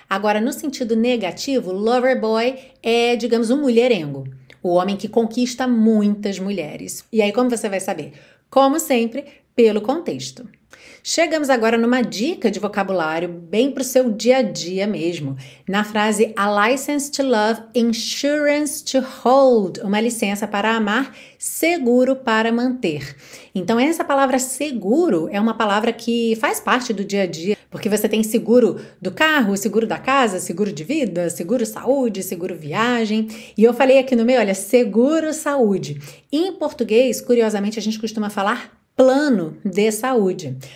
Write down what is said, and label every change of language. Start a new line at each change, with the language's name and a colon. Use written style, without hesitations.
Portuguese: Agora, no sentido negativo, lover boy é, digamos, um mulherengo, o homem que conquista muitas mulheres. E aí, como você vai saber? Como sempre, pelo contexto. Chegamos agora numa dica de vocabulário bem pro seu dia a dia mesmo. Na frase,
English: a license to love, insurance to hold.
Portuguese: Uma licença para amar, seguro para manter. Então, essa palavra seguro é uma palavra que faz parte do dia a dia. Porque você tem seguro do carro, seguro da casa, seguro de vida, seguro saúde, seguro viagem. E eu falei aqui no meio, olha, seguro saúde. Em português, curiosamente, a gente costuma falar plano de saúde.